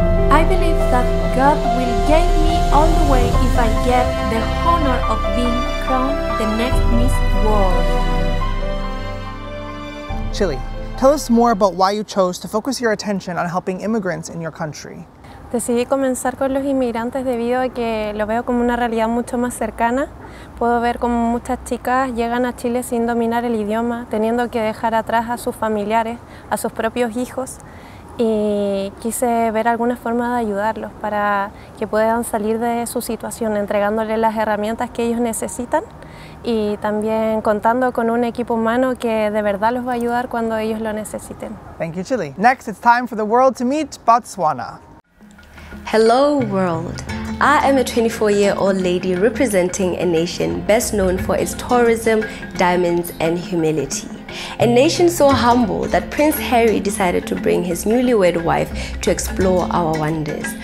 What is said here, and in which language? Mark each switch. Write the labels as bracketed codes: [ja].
[en] I believe that God will guide me all the way if I get the honor of being crowned the next Miss World. Chile, tell us more about why you chose to focus your attention on helping immigrants in your country. [es] Decidí comenzar con los inmigrantes debido a que lo veo como una realidad mucho más cercana. Puedo ver cómo muchas chicas llegan a Chile sin dominar el idioma, teniendo que dejar atrás a sus familiares, a sus propios hijos, y quise ver alguna forma de ayudarlos para que puedan salir de su situación, entregándoles las herramientas que ellos necesitan y también contando con un equipo humano que de verdad los va a ayudar cuando ellos lo necesiten. [en] Thank you, Chile. Next, it's time for the world to meet Botswana. Hello, world. I am a 24-year-old lady representing a nation best known for its tourism, diamonds, and humility. A nation so humble that Prince Harry decided to bring his newlywed wife to explore our wonders.